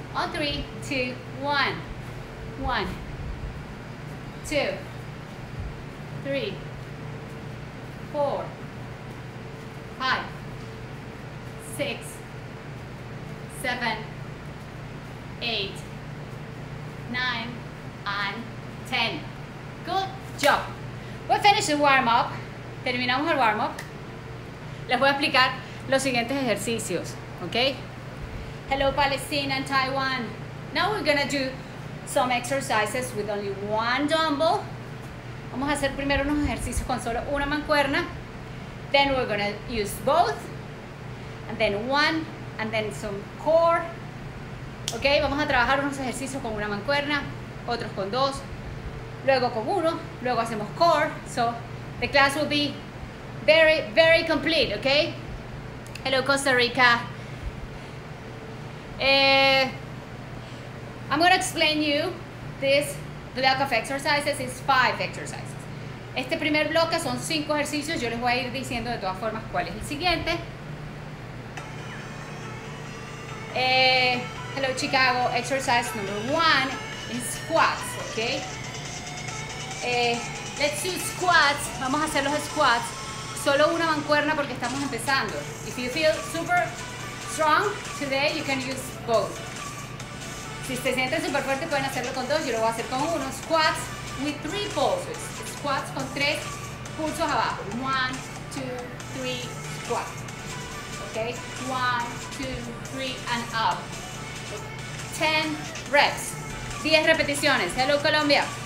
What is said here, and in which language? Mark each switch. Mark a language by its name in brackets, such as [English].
[English] On 3, 2, 1. 1, 2, 3, 4, 5, 6, 7, 8, 9, and 10. Good job. We finished the warm up. [Spanish] Terminamos el warm up. Les voy a explicar los siguientes ejercicios, okay? [English] Hello, Palestine and Taiwan. Now we're gonna do some exercises with only one dumbbell. [Spanish] Vamos a hacer primero unos ejercicios con solo una mancuerna. [English] Then we're gonna use both. And then one, and then some core. [Spanish] Okay, vamos a trabajar unos ejercicios con una mancuerna, otros con dos, luego con uno, luego hacemos core. [English] So the class will be very, very complete, okay? Hello, Costa Rica. I'm going to explain you this block of exercises. It's 5 exercises. [Spanish] Este primer bloque son 5 ejercicios. Yo les voy a ir diciendo de todas formas cuál es el siguiente. [English] Hello, Chicago. Exercise number 1 is squats, okay? Let's do squats. [Spanish] Vamos a hacer los squats. Solo una mancuerna porque estamos empezando. [English] If you feel super strong today, you can use both. [Spanish] Si te sientes super fuerte, pueden hacerlo con dos. Yo lo voy a hacer con uno. [English] Squats with 3 pulses. [Spanish] Squats con 3 pulsos abajo. [English] 1, 2, 3, squat. Okay? 1, 2, 3, and up. 10 reps. [Spanish] 10 repeticiones. [English] Hello, Colombia.